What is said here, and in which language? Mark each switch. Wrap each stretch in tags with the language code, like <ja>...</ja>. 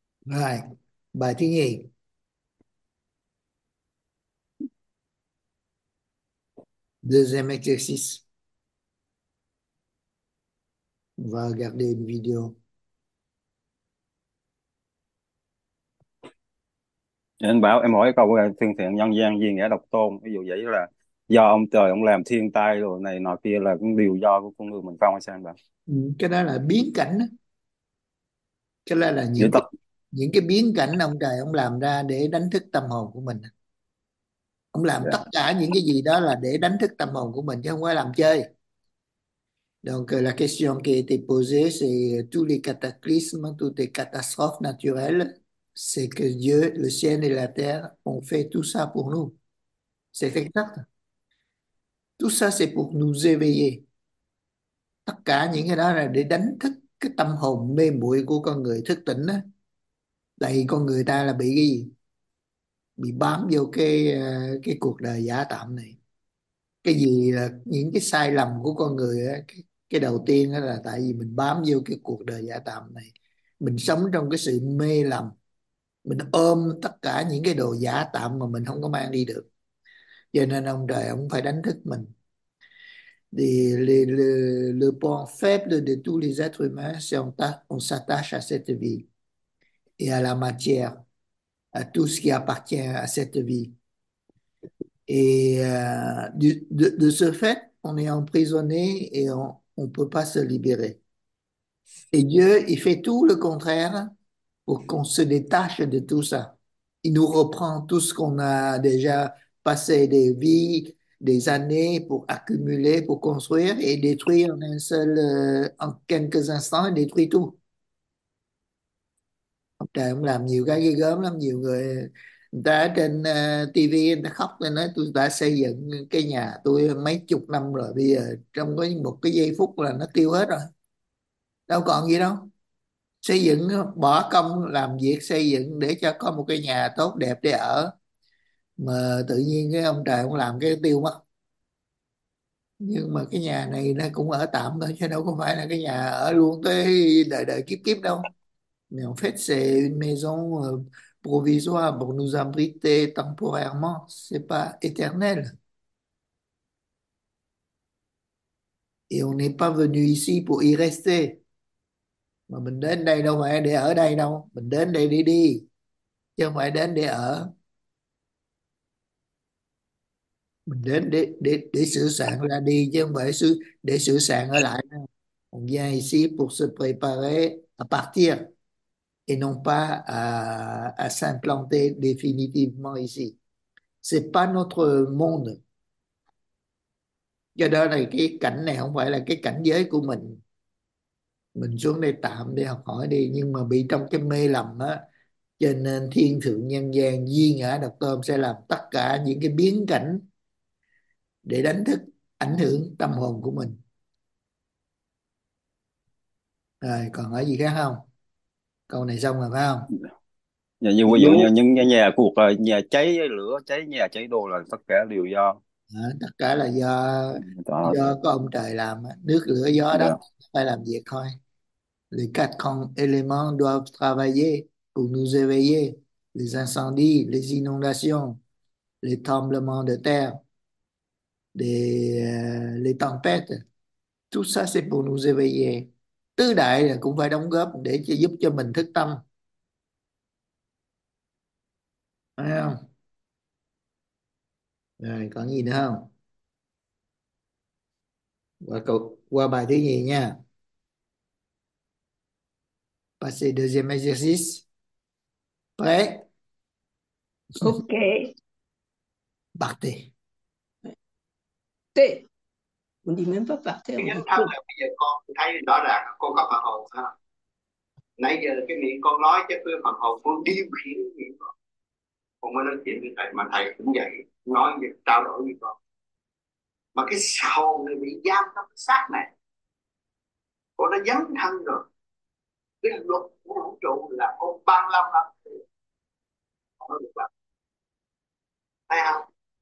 <vi>Rồi, bài thứ nhì.</vi> <fr>Deuxième exercice. On va regarder une vidéo.</fr> <vi>Anh bảo em hỏi câu thiên thiện nhân gian duyên nghĩa độc tôn, ví dụ vậy là do ông trời ông làm thiên tai rồi này nọ kia là cũng đều do của con người mình không, hay sao anh bảo Cái đó là biến cảnh, cái đó là diễn tập những cái biến cảnh ông trời ông làm ra để đánh thức tâm hồn của mình. Ông làm tất cả những cái gì đó là để đánh thức tâm hồn của mình chứ không phải làm chơi.</vi> <fr>Donc la question qui a été posée, c'est tous les cataclysmes, toutes les catastrophes naturelles, c'est que Dieu, le ciel et la terre ont fait tout ça pour nous. C'est exact. Tout ça, c'est pour nous éveiller.</fr> <vi>Tất cả những cái đó là để đánh thức cái tâm hồn mê muội của con người thức tỉnh đó. Tại con người ta là bị cái gì? Bị bám vô cái cuộc đời giả tạm này. Cái gì là những cái sai lầm của con người đó, cái đầu tiên đó là tại vì mình bám vô cái cuộc đời giả tạm này. Mình sống trong cái sự mê lầm. Mình ôm tất cả những cái đồ giả tạm mà mình không có mang đi được. Cho nên ông trời ông phải đánh thức mình.</vi> <fr>Le point faible de tous les êtres humains, c'est on s'attache à cette vie et à la matière, à tout ce qui appartient à cette vie. Et de ce fait, on est emprisonné et on ne peut pas se libérer. Et Dieu, il fait tout le contraire pour qu'on se détache de tout ça. Il nous reprend tout ce qu'on a déjà passé des vies, des années pour accumuler, pour construire et détruire en quelques instants, il détruit tout.</fr> <vi>Ông trời ông làm nhiều cái ghê gớm lắm, nhiều người ta trên TV người ta khóc lên nói tôi đã xây dựng cái nhà tôi mấy chục năm rồi, bây giờ trong có một cái giây phút là nó tiêu hết rồi. Đâu còn gì đâu. Xây dựng, bỏ công làm việc xây dựng để cho có một cái nhà tốt đẹp để ở, mà tự nhiên cái ông trời cũng làm cái tiêu mất. Nhưng mà cái nhà này nó cũng ở tạm thôi chứ đâu có phải là cái nhà ở luôn tới đời đời kiếp kiếp đâu.</vi> <fr>Mais en fait c'est une maison provisoire pour nous abriter temporairement, c'est pas éternel. Et on n'est pas venu ici pour y rester.</fr> <vi>Mà mình đến đây đâu phải để ở đây đâu, mình đến đây đi đi chứ không phải đến để ở. Mình đến để sửa soạn ra đi chứ không phải để sửa soạn ở lại.</vi> <fr>On vient ici pour se préparer à partir et non pas à s'implanter définitivement ici. C'est pas notre monde.</fr> <vi>Do đó là cái cảnh này không phải là cái cảnh giới của mình. Mình xuống đây tạm để học hỏi đi, nhưng mà bị trong cái mê lầm á, cho nên thiên thượng nhân gian duy ngã độc tôn sẽ làm tất cả những cái biến cảnh để đánh thức ảnh hưởng tâm hồn của mình. Rồi còn hỏi gì khác không? Câu này xong rồi phải không? Như Đúng. ví dụ như những nhà cuộc nhà cháy, lửa cháy nhà, cháy đồ là tất cả đều do Đó, tất cả là đó. do có ông trời làm, nước lửa gió đất phải làm việc thôi.</vi> <fr>Les quatre éléments doivent travailler pour nous éveiller. Les incendies, les inondations, les tremblements de terre, les tempêtes, tout ça c'est pour nous éveiller.</fr> <vi>Tứ đại là cũng phải đóng góp để giúp cho mình thức tâm. Phải không? Rồi, còn gì nữa không? Qua bài thứ nhì nha.</vi> <fr>Passer deuxième exercice. Prêt? Ok. Partez. T. On dit même pas partir, on dit</fr> <vi>Thắng là bây giờ con thấy rõ ràng cô có phần hồn sao? Nãy giờ cái miệng con nói chứ cái phần hồn con điều khiển miệng con. Con mới nói chuyện với thầy mà thầy cũng vậy, nói việc trao đổi với con. mà cái hồn này bị giam trong cái xác này, con nó dấn thân rồi, cái luật của vũ trụ là con băng lâm lắm, không được lắm, thấy không?</vi>